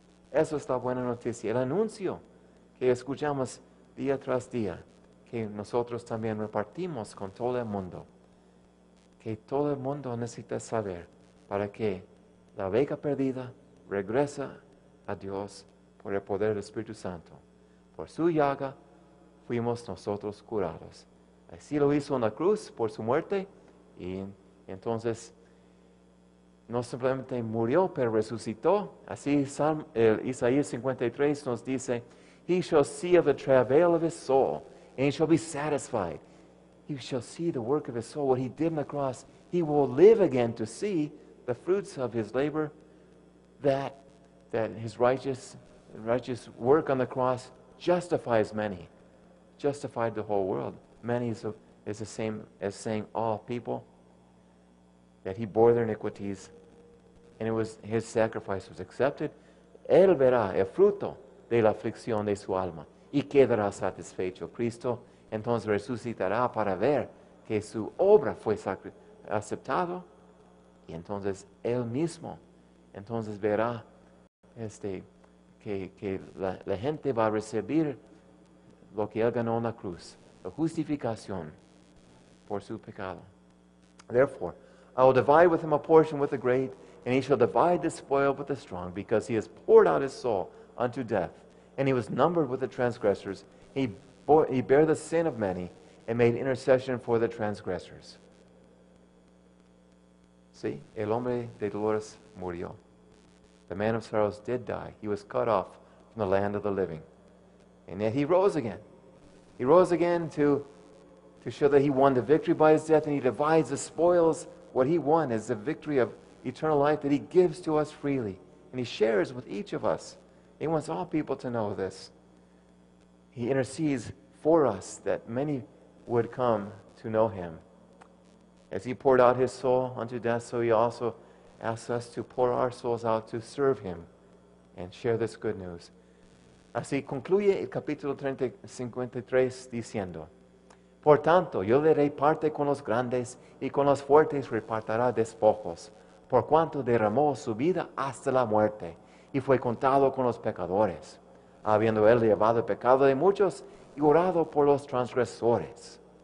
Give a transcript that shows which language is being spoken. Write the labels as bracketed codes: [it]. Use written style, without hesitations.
[es] Eso es la buena noticia. El anuncio que escuchamos día tras día, que nosotros también repartimos con todo el mundo, que todo el mundo necesita saber para que la oveja perdida regresa a Dios por el poder del Espíritu Santo. Por su llaga fuimos nosotros curados. Así lo hizo en la cruz por su muerte, y entonces no simplemente murió, pero resucitó. Así Isaías 53 nos dice, [en] he shall see of the travail of his soul, and he shall be satisfied. He shall see the work of his soul, what he did on the cross. He will live again to see the fruits of his labor, that his righteous work on the cross justifies many, justified the whole world. Many is the same as saying all people, that he bore their iniquities, and it was his sacrifice was accepted. [es] Él verá el fruto de la aflicción de su alma y quedará satisfecho. Cristo entonces resucitará para ver que su obra fue aceptado, y entonces él mismo entonces verá que la gente va a recibir lo que él ganó en la cruz, la justificación por su pecado. [en] Therefore, I will divide with him a portion with the great, and he shall divide the spoil with the strong, because he has poured out his soul unto death, and he was numbered with the transgressors. He bare the sin of many, and made intercession for the transgressors. See, [es] el hombre de dolores murió. [en] The man of sorrows did die. He was cut off from the land of the living. And yet he rose again. He rose again to show that he won the victory by his death, and he divides the spoils. What he won is the victory of eternal life that he gives to us freely. And he shares with each of us. He wants all people to know this. He intercedes for us that many would come to know him. As he poured out his soul unto death, so he also asks us to pour our souls out to serve him and share this good news. [es] Así concluye el capítulo 53 diciendo, por tanto, yo le reparte con los grandes y con los fuertes repartará despojos, por cuanto derramó su vida hasta la muerte y fue contado con los pecadores, habiendo él llevado el pecado de muchos y orado por los transgresores.